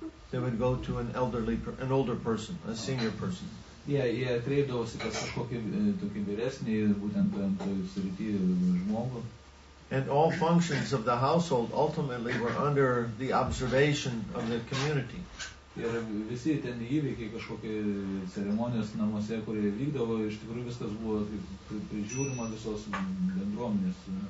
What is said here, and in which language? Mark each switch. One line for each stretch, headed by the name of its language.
English: They would go to an elderly, an older person, a senior person.
Lithuanian: Yeah, jie kreipdavosi pas kažkokį tokį vyresnį, būtent toj srity žmogų.
English: And all functions of the household ultimately were under the observation of the community.
Lithuanian: Ir visi ten įvykiai, kažkokie ceremonijos namuose, kurie vykdavo, iš tikrųjų viskas buvo prižiūrima visos bendruomenės.